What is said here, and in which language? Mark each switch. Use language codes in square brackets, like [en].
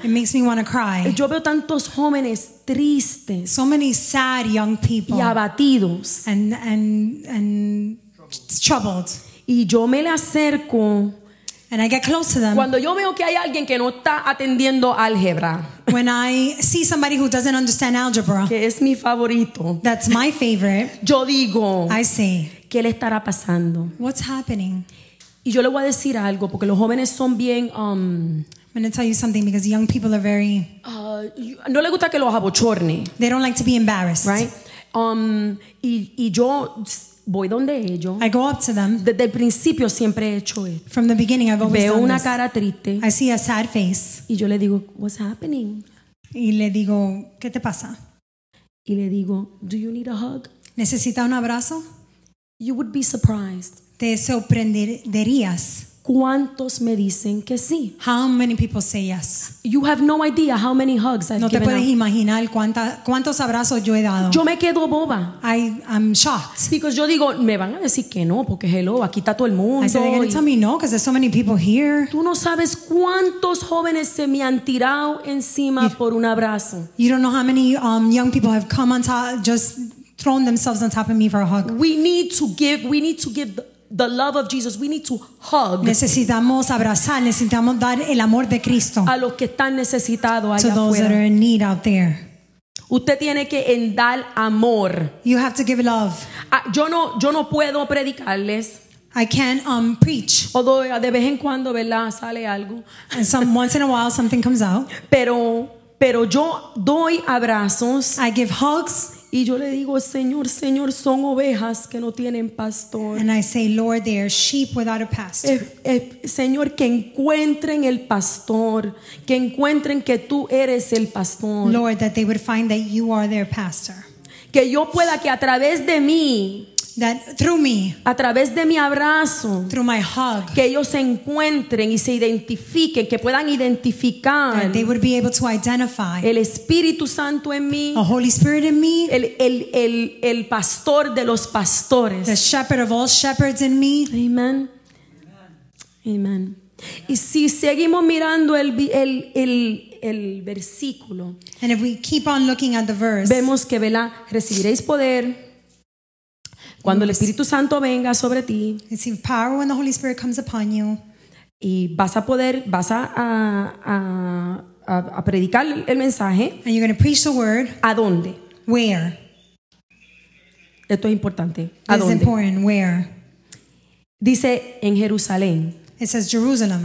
[en] It makes me want to cry. [es] Yo veo tantos jóvenes tristes. [en] So many sad young people. [es] Y abatidos. [en] And troubled. [es] Y yo me le acerco. [en] And I get close to them. [es] Cuando yo veo que hay alguien que no está atendiendo álgebra. [en] When I see somebody who doesn't understand algebra. [es] Que es mi favorito. [en] That's my favorite. [es] Yo digo. [en] I say. [es] ¿Qué le estará pasando? [en] What's happening? [es] Y yo le voy a decir algo porque los jóvenes son bien. [en] I'm going to tell you something because young people are very. [es] No le gusta que los abochorne. [en] They don't like to be embarrassed. Right? [es] Y yo. Voy donde ellos. [en] I go up to them. [es] Desde el principio siempre he hecho esto. [en] From the beginning I've always [es] veo [en] done [es] una [en] this. [es] Cara triste. [en] I see a sad face. [es] Y yo le digo, [en] what's happening? [es] Y le digo, ¿qué te pasa? Y le digo, [en] do you need a hug? [es] ¿Necesita un abrazo? [en] You would be surprised. [es] Te sorprenderías. ¿Cuántos me dicen que sí? [en] How many people say yes? You have no idea how many hugs I've [es] no [en] given. [es] No te puedes imaginar cuántos abrazos yo he dado. Yo me quedo boba. [en] I'm shocked. Because [es] yo digo, me van a decir que no, porque [en] hello, [es] aquí está todo el mundo. [en] I said, they're going to tell me no, because there's so many people here. [es] Tú no sabes cuántos jóvenes se me han tirado encima por un abrazo. [en] You don't know how many young people have come on top, just thrown themselves on top of me for a hug. We need to give the love of Jesus. We need to hug. [es] Necesitamos abrazar. Necesitamos dar el amor de Cristo. A los que están necesitados allá afuera. [en] To those that are in need out there. [es] Usted tiene que dar amor. [en] You have to give love. [es] Yo no puedo predicarles. [en] I can't preach. Although [es] de vez en cuando, ¿verdad? Sale algo. [en] And some once in a while something comes out. [es] Pero yo doy abrazos. [en] I give hugs. [es] Y yo le digo, Señor, Señor, son ovejas que no tienen pastor. [en] And I say, Lord, they are sheep without a pastor. [es] Señor, que encuentren el pastor. Que encuentren que tú eres el pastor. [en] Lord, that they would find that you are their pastor. [es] Que yo pueda que a través de mí. [en] That through me. [es] A través de mi abrazo. [en] Through my hug. [es] Que ellos se encuentren y se identifiquen. Que puedan identificar. [en] That they would be able to identify. [es] El Espíritu Santo en mí. [en] A Holy Spirit in me. [es] El pastor de los pastores. [en] The shepherd of all shepherds in me. [es] Amen. Amen. Y si seguimos mirando el versículo. [en] And if we keep on looking at the verse. [es] Vemos que, ¿verdad? Recibiréis poder. Cuando el Espíritu Santo venga sobre ti, [en] receive power when the Holy Spirit comes upon you. [es] Y vas a poder, vas a predicar el mensaje. [en] And you're going to preach the word. [es] ¿A dónde? [en] Where? [es] Esto es importante. ¿A dónde? [en] Important. Where? [es] Dice en Jerusalén. [en] It says Jerusalem.